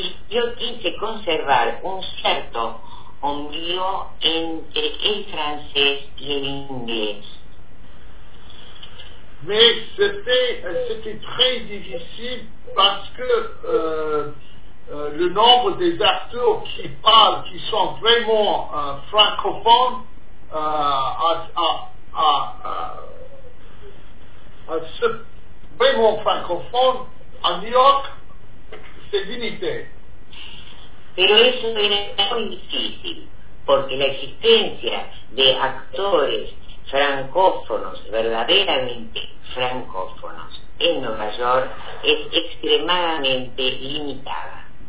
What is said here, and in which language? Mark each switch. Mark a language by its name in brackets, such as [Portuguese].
[Spanish] Yo quise conservar un cierto ombligo entre el francés y el inglés. [French] mais c'était très difficile parce que le nombre des acteurs qui parlent, qui sont vraiment francophones, vraiment francophones, à New York, c'est limité. [Spanish] Pero eso era muy difícil, porque la existencia de actores francófonos, verdaderamente francófonos, en Nueva York es extremadamente limitada.